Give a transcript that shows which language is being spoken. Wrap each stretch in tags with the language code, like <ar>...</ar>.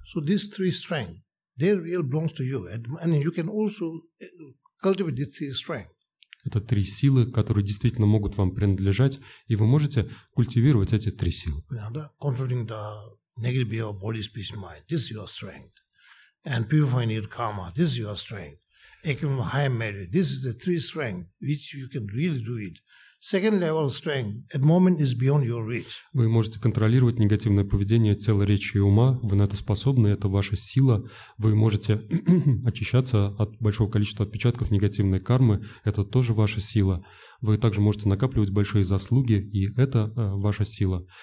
<en>So these three strengths, they really belongs to you. And you can also cultivate these three strengths.</en> <ru>это три силы, которые действительно могут вам принадлежать, и вы можете культивировать эти три силы.</ru> <en>Controlling the negative behavior, body, speech, mind. This is your strength. And purifying your karma. This is your strength. Acquiring high merit. This is the three strength which you can really do it. Second level strength at moment is beyond your reach.</en> <ru>Вы можете контролировать негативное поведение тела, речи и ума. Вы на это способны, это ваша сила. Вы можете очищаться от большого количества отпечатков негативной кармы. Это тоже ваша сила. Вы также можете накапливать большие заслуги, и это ваша сила.</ru>